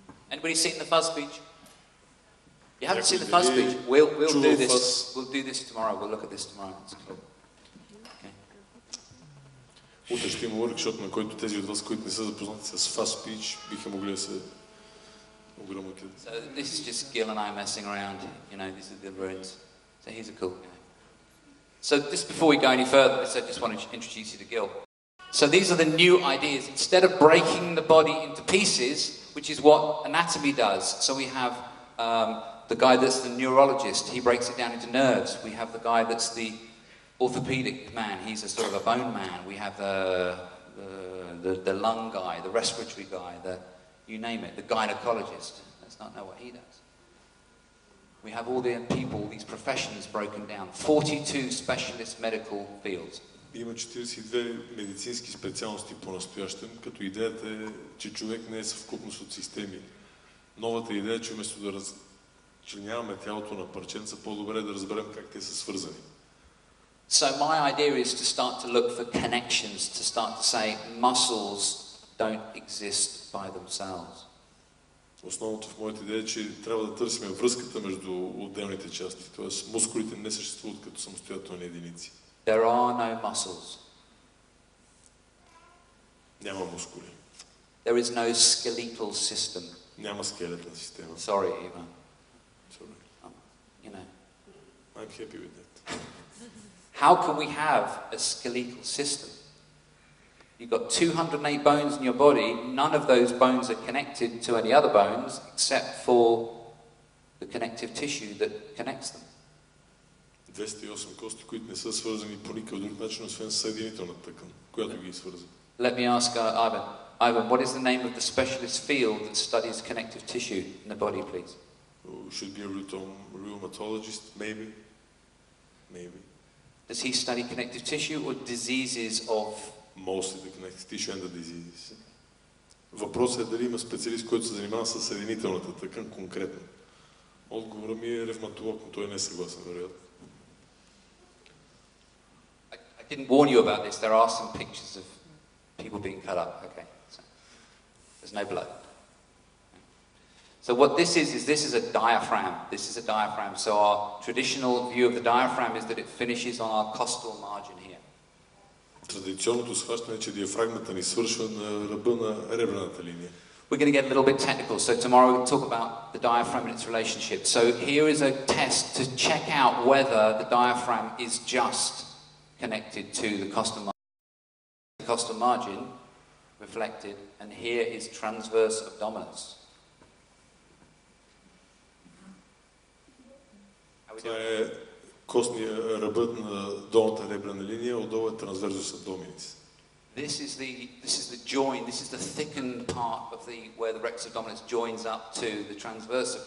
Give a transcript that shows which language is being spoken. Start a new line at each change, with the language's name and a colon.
English: Anybody seen the Fuzz Speech? You haven't seen the Fuzz Speech? We'll do this. We'll do this tomorrow. We'll look at this tomorrow. It's cool.
Bulgarian: Утре ще има workshop, на който тези от вас, които не са запознати с Fuzz Speech, биха могли да се ограмотят.
English: So this is just Gil and I messing around. You know, these are the ruins. So he's a cool guy. So just before we go any further, I just want to introduce you to Gil. So these are the new ideas. Instead of breaking the body into pieces, which is what anatomy does. So we have the guy that's the neurologist, he breaks it down into nerves. We have the guy that's the orthopedic man, he's a sort of a bone man. We have the lung guy, the respiratory guy, the you name it, the gynecologist. Let's not know what he does. We have all the people, these professions broken down. 42 specialist medical fields.
Bulgarian: Има 42 медицински специалности по-настоящем, като идеята е, че човек не е съвкупност от системи. Новата идея е, че вместо да разчленяваме тялото на парченца, по-добре е да разберем как те са свързани.
English: So my idea is to start to look for connections, to start to say muscles don't exist by themselves.
Bulgarian: Основното в моята идея е, че трябва да търсим връзката между отделните части, т.е. мускулите не съществуват като самостоятелни единици.
English: There are no muscles.
Bulgarian: Няма мускули.
English: There is no skeletal system.
Bulgarian: Няма скелетна система.
English: Sorry, Ivan. Sorry. You know. I'm happy with that. How can we have a skeletal system? You've got 208 bones in your body. None of those bones are connected to any other bones except for the connective tissue that connects them.
Bulgarian: 208 кости, които не са свързани по никакъв друг начин, освен съединителната тъкан, която ги свързва.
English: Let me ask Ivan. Ivan, what is the name of the specialist field that studies connective tissue in the body, please? Should be a rheumatologist, maybe. Maybe. Does he study connective tissue or diseases of... Mostly the connective tissue and the diseases.
Bulgarian: Въпросът е дали има специалист, който се занимава с съединителната тъкан конкретно. Отговорът ми е ревматолог, но той не е съгласен, вероятно.
English: I didn't warn you about this. There are some pictures of people being cut up. Okay. So, there's no blood. So what this is a diaphragm. This is a diaphragm. So our traditional view of the diaphragm is that it finishes on our costal margin here.
Bulgarian: Традиционното схващане е, че диафрагмата ни свършва на ръба на ребрената линия.
English: We're going to get a little bit technical. So tomorrow we'll talk about the diaphragm and its relationship. So here is a test to check out whether the diaphragm is just connected to the costal margin, reflected, and here is transverse abdominis.
Bulgarian: Това е костния ръбът на долната ребрена линия, отдолу е transversus abdominis.
English: This is the joint. This is the thickened part of the where the rectus abdominis joins up to the transverse.